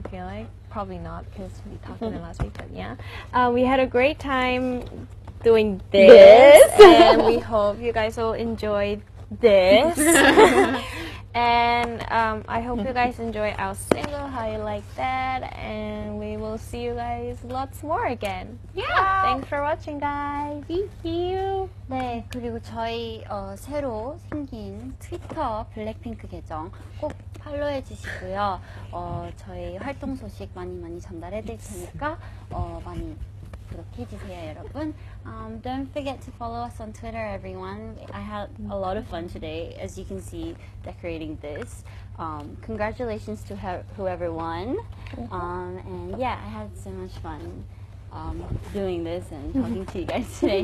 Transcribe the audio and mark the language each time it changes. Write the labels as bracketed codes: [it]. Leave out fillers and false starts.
[en] I feel like probably not because we talked in last week, but yeah, we had a great time. Doing this, and we hope you guys will enjoy this. And I hope you guys enjoy our single, How You Like That. And we will see you guys lots more again. Yeah. Thanks for watching, guys. Thank you. [ko] 네 그리고 저희 새로 생긴 트위터 블랙핑크 계정 꼭 팔로우해 주시고요. 저희 활동 소식 많이 전달해 드릴 테니까 많이 구독해 주세요, 여러분. [en] Don't forget to follow us on Twitter, everyone. I had a lot of fun today, as you can see, decorating this. Congratulations to whoever won. And yeah, I had so much fun doing this and talking to you guys today.